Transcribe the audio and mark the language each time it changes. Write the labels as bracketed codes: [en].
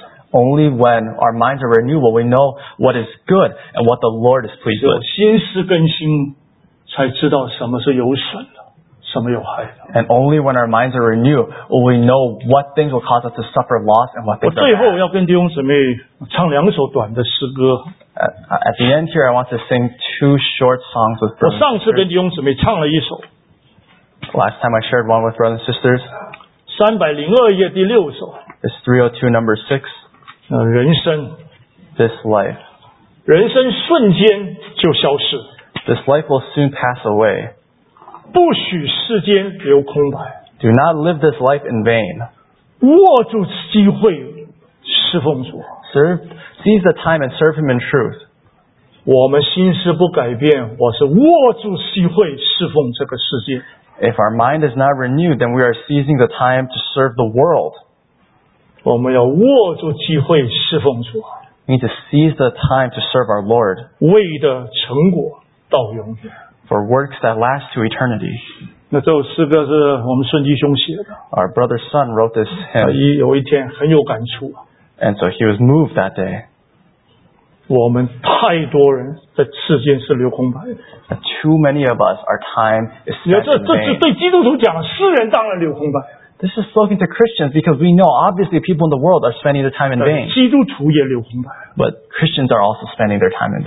[en] Only when our minds are renewed will we know what is good and what the Lord is pleased with. [zh] 心思更新才知道什么是有损的，什么有害的。 [en] And only when our minds are renewed will we know what things will cause us to suffer loss and what things are bad. [zh] 我最后要跟弟兄姊妹唱两首短的诗歌。 [en] At the end here, I want to sing two short songs with brothers. [zh] 我上次跟弟兄姊妹唱了一首。 [en] Last time I shared one with brothers and sisters. [zh] 302页第六首 [en] It's 302 number 6 [zh] 人生 [en] This life [zh] 人生瞬间就消失 [en] This life will soon pass away [zh] 不许世间留空白 [en] Do not live this life in vain [zh] 握住机会侍奉主 [en] Seize the time and serve him in truth [zh] 我们心思不改变我是握住机会侍奉这个世界 [en] If our mind is not renewed, then we are seizing the time to serve the world. [zh] 我们要握住机会侍奉主。 [en] We need to seize the time to serve our Lord. [zh] 为的成果到永远。 [en] For works that last to eternity. [zh] 那这首诗歌是我们孙弟兄写的。 [en] Our brother's son wrote this hymn. [zh] 有一天很有感触。 [en] And so he was moved that day. [zh] 我们太多人在世间是留空白的。 [en] Too many of us, our time is spent in vain. [zh] 这是对基督徒讲，世人当然留空白。 [en] This is spoken to Christians because we know obviously people in the world are spending their time in vain. [zh] 基督徒也留空白。 [en] But Christians are also spending their time in vain.